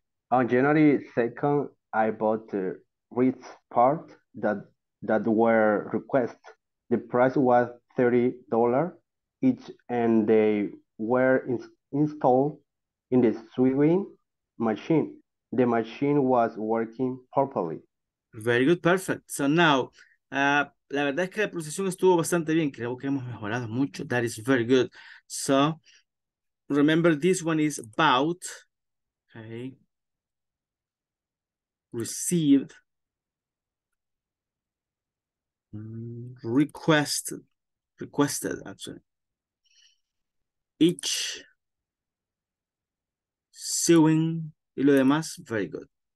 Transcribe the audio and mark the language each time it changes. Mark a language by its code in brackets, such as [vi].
[en] On January 2nd, I bought the Ritz part that were requested. The price was $30 each, and they were installed in the sewing machine. The machine was working properly. Very good, perfect. So now, [es] la verdad es que la procesión estuvo bastante bien. Creo que hemos mejorado mucho. [en] That is very good. So, remember this one is about, okay, received, requested actually, each, sewing, [es] y lo demás, [en] very good.